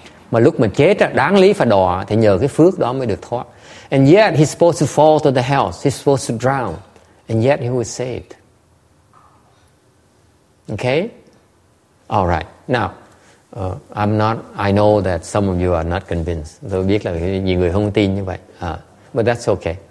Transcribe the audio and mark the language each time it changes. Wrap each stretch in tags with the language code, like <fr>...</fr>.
<vi>Mà lúc mà chết đáng lý phải đọa thì nhờ cái phước đó mới được thoát.</vi> <en>And yet he's supposed to fall to the hell, he's supposed to drown, and yet he was saved. Okay? All right. Now, I know that some of you are not convinced.</en> <vi>Tôi biết là nhiều người không tin như vậy.</vi> <en>But that's okay.</en>